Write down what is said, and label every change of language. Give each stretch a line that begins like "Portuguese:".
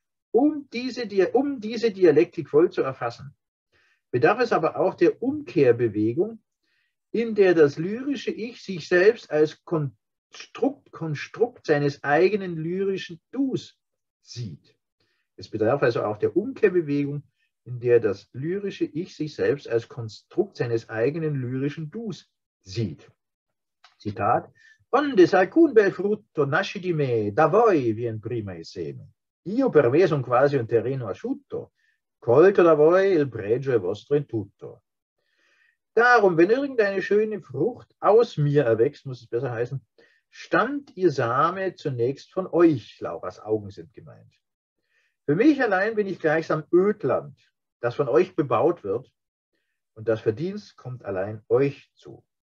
German: Um diese Dialektik voll zu erfassen, bedarf es aber auch der Umkehrbewegung, in der das lyrische Ich sich selbst als Konstrukt seines eigenen lyrischen Dus sieht. Es bedarf also auch der Umkehrbewegung, in der das lyrische Ich sich selbst als Konstrukt seines eigenen lyrischen Dus sieht.
Italian: Zitat: Onde s'alcun bel frutto nasce di me, da voi vien prima il seme. Io per me son quasi un terreno asciutto, colto da voi il pregio è vostro in tutto.
German: Darum, wenn irgendeine schöne Frucht aus mir erwächst, muss es besser heißen, stammt ihr Same zunächst von euch, Lauras Augen sind gemeint. Für mich allein bin ich gleichsam Ödland, das von euch bebaut wird, und das Verdienst kommt allein euch zu.